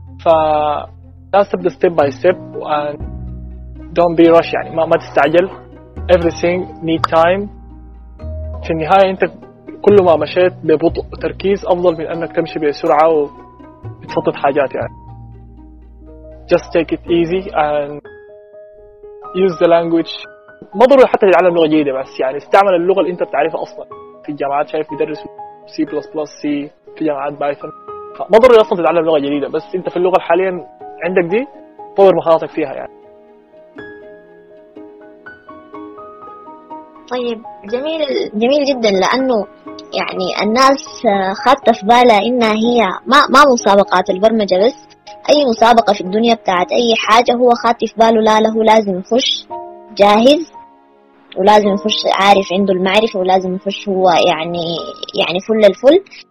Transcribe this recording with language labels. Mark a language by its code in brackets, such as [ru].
[ar] ف لازم تبدا [en] step by step, don't be rush [ar] يعني ما تستعجل. [en] everything need time. [ar] في النهايه انت كل ما مشيت ببطء وتركيز افضل من انك تمشي بسرعه وتفطط حاجات يعني. [en] just take it easy and use the language. [ar] ما ضروري حتى تتعلم لغه جيده, بس يعني استعمل اللغه اللي انت بتعرفها اصلا. في الجامعات شايف بيدرس C++, C, في جامعات بايثون, فما ضروري اصلا تتعلم لغه جديده, بس انت في اللغه حاليا عندك دي طور مهاراتك فيها يعني. طيب جميل جميل جدا, لانه يعني الناس خاطه في بالها انها هي ما مسابقات البرمجه بس, اي مسابقه في الدنيا بتاعت اي حاجه هو خاطه في باله لا له لازم يخش جاهز, ولازم يخش عارف عنده المعرفه, ولازم يخش هو يعني فل الفل.